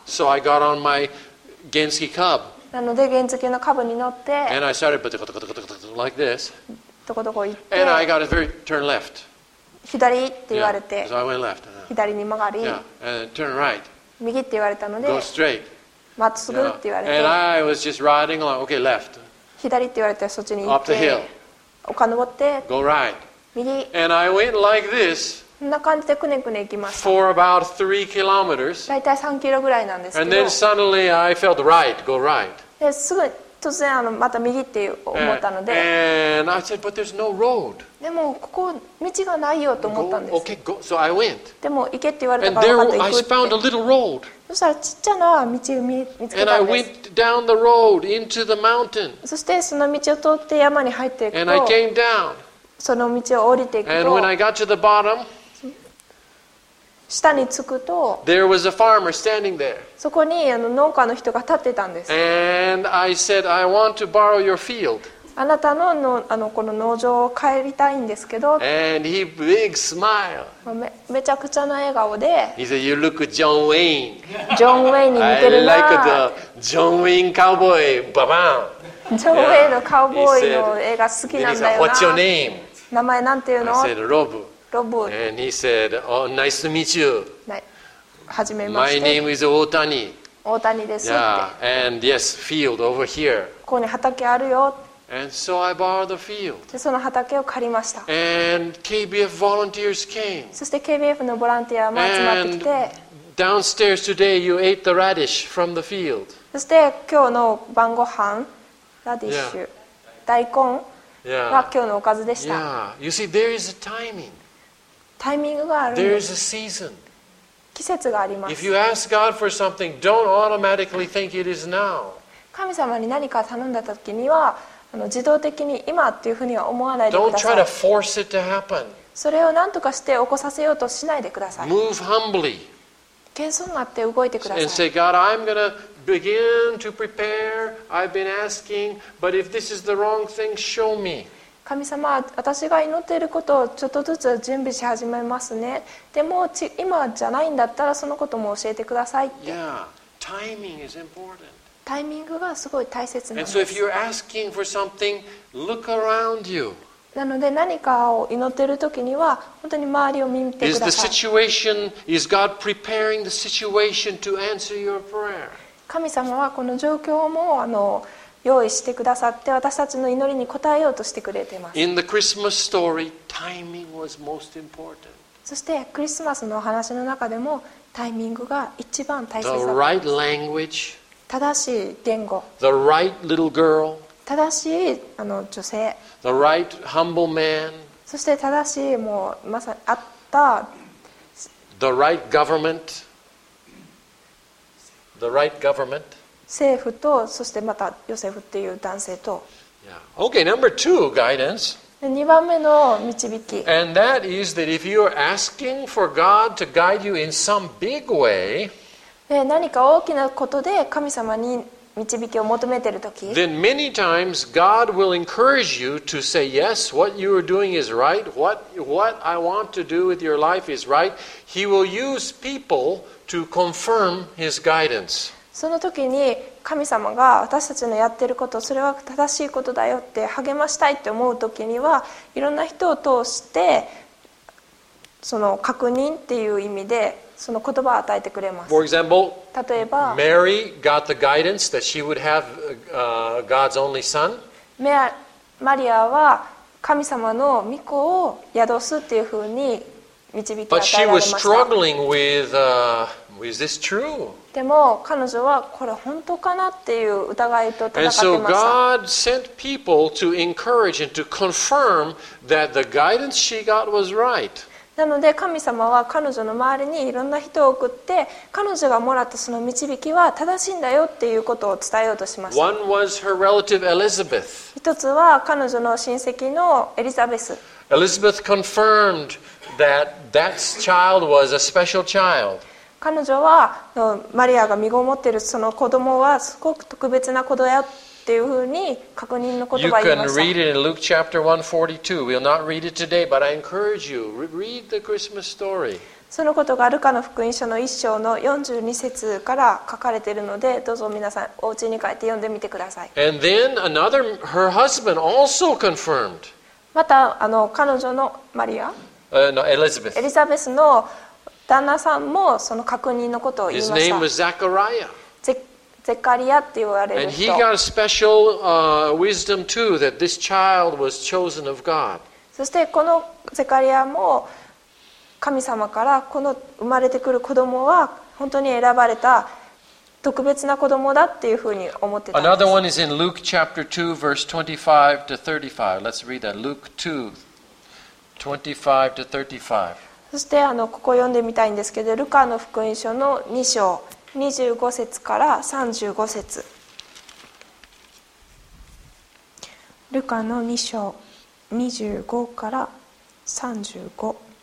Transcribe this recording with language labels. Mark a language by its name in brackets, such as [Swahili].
[English] So I got on my Genzuki cub. [Japanese] なので原付のカブに乗って。 [English] And I started like this. [Japanese] どこどこ行って。 [English] And I got a very turn left. [Japanese] 左って言われて。 [English] Yeah. So I went left. [Japanese] 左に曲がり。 [English] Yeah. And turn right. [Japanese] 右って言われたので。 [English] Go straight. [Japanese] まっすぐって言われて、 [English] yeah. And I was just riding along. Okay, left. [Japanese] 左って言われてそっちに行 [English] って、Up the hill. [Japanese] 丘登って、 [English] Go right. [Japanese] 右。 [English] And I went like this. [Japanese] こんな感じでくねくね行きました。 [English] For about 3 kilometers. [Japanese] だいたい3キロぐらいなんですけど。 [English] And then suddenly I felt right. Go right. [Japanese] ですぐ突然また右って思ったので、 [English] And I said, but there's no road. [Japanese] でもここ道がないよと思ったんです。 [English] Go, okay, go. So I went. [Japanese] でも行けって言われたから分かって行くって。 [English] And there I found a little road. [Japanese] そしたらちっちゃな道を見つけたんです。 [English] And I went down the road into the mountain. [Japanese] そしてその道を通って山に入っていくと。 [English] And I came down. [Japanese] その道を降りていくと。 [English] And when I got to the bottom, [Japanese] 下に着くと。 [English] There was a farmer standing there. [Japanese] そこに農家の人が立ってたんです。 [English] And I said, I want to borrow your field. [Japanese] あなた のこの農場を帰りたいんですけど。 [English] And he big smile. [Japanese] めちゃくちゃな笑顔で。 [English] He said, you look John Wayne. [Japanese] ジョン・ウェインに似てるな。 [English] I like the John Wayne cowboy. [Japanese] ババン。ジョン・ウェインのカウボーイの映画好きなんだよな。 [English] Said, What's your name? [Japanese] 名前なんていうの [English] ？I said, Rob. Rob. And he said, Oh, nice to meet you. [Japanese] はじめまして。 [English] My name is Otani. [Japanese] Otani ですって。 [English] Yeah. And yes, field over here. [Japanese] ここに畑あるよ。 [English] And so I borrowed the field. [Japanese] でその畑を借りました。 [English] And KBF volunteers came. [Japanese] そして KBF のボランティアも集まってきて。 [English] And downstairs today you ate the radish from the field. [Japanese] そして今日の晩ご飯、ラディッシュ、大根が今日のおかずでした。 [English] Yeah. You see, there is a timing. [Japanese] タイミングがあるんです。 [English] There is a season. [Japanese] 季節があります。 [English] If you ask God for something, don't automatically think it is now. [Japanese] 神様に何か頼んだ時には自動的に今っていうふうには思わないでください。それを何とかして起こさせようとしないでください。 [English] Move humbly. [Japanese] 謙遜になって動いてください。 [English] And say, God, I'm gonna begin to prepare. I've been asking, but if this is the wrong thing, show me. [Japanese] 神様、私が祈っていることをちょっとずつ準備し始めますね。でも今じゃないんだったらそのことも教えてくださいって。 [English] Yeah, timing is important. [Japanese] タイミングがすごい大切なんです。 [English] And so if you're asking for something, look around you. [Japanese] なので何かを祈っているときには本当に周りを見てください。 [English] Is the situation, is God preparing the situation to answer your prayer? [Japanese] 神様はこの状況も用意してくださって私たちの祈りに応えようとしてくれています。 [English] In the Christmas story, timing was most important. [Japanese] そしてクリスマスのお話の中でもタイミングが一番大切だったんです。 [English] The right language. [Japanese] 正しい言語。 [English] The right little girl. [Japanese] 正しい女性、 [English] the right, humble man, [Japanese] そして正しいもうまさにあった [English] the right government, the right government, [Japanese] 政府と、そしてまたヨセフっていう男性と、 [English] yeah. Okay, number two, guidance. [Japanese] 2番目の導き。 [English] And that is that if you are asking for God to guide you in some big way, [Japanese] 何か大きなことで神様に導きを求めているとき、 [English] then many times God will encourage you to say, yes, what you are doing is right. What I want to do with your life is right. He will use people to confirm his guidance. [Japanese] その時に神様が私たちのやってることそれは正しいことだよって励ましたいって思う時にはいろんな人を通してその確認っていう意味でその言葉を与えてくれます。 [English] For example, [Japanese] 例えば、 [English] Mary got the guidance that she would have God's only son. [Japanese] マリアは神様の御子を宿すっていうふうに導き与えられました。 [English] But she was struggling with, is this true? [Japanese] でも彼女はこれ本当かなっていう疑いと戦ってました。 [English] And so God sent people to encourage and to confirm that the guidance she got was right. [Japanese] なので神様は彼女の周りにいろんな人を送って彼女がもらったその導きは正しいんだよっていうことを伝えようとしました。 [English] One was her relative Elizabeth. [Japanese] 一つは彼女の親戚のエリザベス。 [English] Elizabeth confirmed that that child was a special child. [Japanese] 彼女はマリアが身ごもっているその子供はすごく特別な子供だっていうふうに確認の言葉を言いました。 [English] You can read it in Luke chapter 142. We'll not read it today, but I encourage you, read the Christmas story. [Japanese] そのことがルカの福音書の1章の42節から書かれているので、どうぞ皆さんお家に帰って読んでみてください。 [English] And then another, her husband also confirmed. [Japanese] また彼女のマリア、 [English] no, Elizabeth. [Japanese] エリザベスの旦那さんもその確認のことを言いました。 [English] His name was Zachariah. [Japanese] ゼカリアって言われる人。 [English] And he got a special wisdom too that this child was chosen of God. [Japanese] そしてこのゼカリアも神様からこの生まれてくる子供は本当に選ばれた特別な子供だっていうふうに思ってたんです。 [English] Another one is in Luke chapter 2 verse 25 to 35. Let's read that. Luke 2, 25 to 35. [Japanese] そしてここ読んでみたいんですけど、ルカの福音書の2章25節から35節。ルカの2章25から35。